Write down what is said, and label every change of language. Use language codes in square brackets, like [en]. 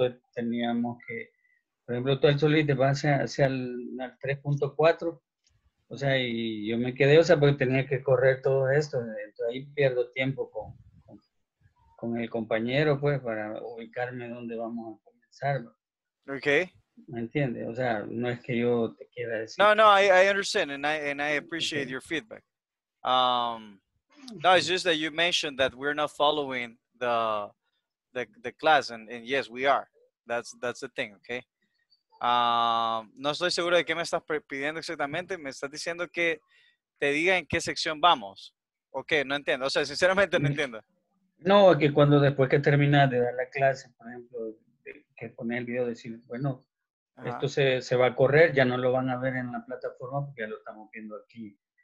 [es] Entonces teníamos que, por ejemplo, tú al solito vas hacia el 3.4, o sea, y yo me quedé, o sea, porque tenía que correr todo esto. Entonces ahí pierdo tiempo con el compañero, pues, para ubicarme dónde vamos a comenzar. Ok. ¿Me entiendes? O sea, no es que yo te quiera decir. [en] No, I understand, and I appreciate your feedback. No, it's just that you mentioned that we're not following the class, and yes, we are. That's the thing, okay? [es] No estoy seguro de qué me estás pidiendo exactamente. Me estás diciendo que te diga en qué sección vamos. Okay, no entiendo. O sea, sinceramente no entiendo. No, que cuando después que terminas de dar la clase, por ejemplo, que poner el video, decir, bueno, esto se va a correr, ya no lo van a ver en la plataforma porque ya lo estamos viendo aquí.